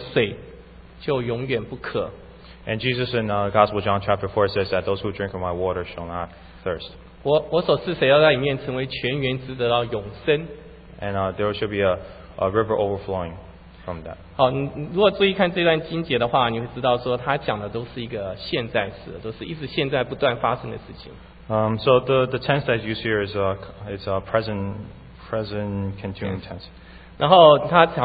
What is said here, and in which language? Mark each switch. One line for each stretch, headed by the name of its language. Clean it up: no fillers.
Chinese: 哦，主耶稣在约翰福音第四章讲过一句话，他讲说，人若喝我的水，就永远不渴。
English: And Jesus in Gospel John chapter 4 says that those who drink of my water shall not thirst.
Chinese: 我所赐谁要在里面成为泉源，直得到永生。
English: And there should be a river overflowing.
Chinese: 好，你如果注意看这段经节的话，你会知道说他讲的都是一个现在时，都是一直现在不断发生的事情。
English: So the tense that you see here is a present continuous tense.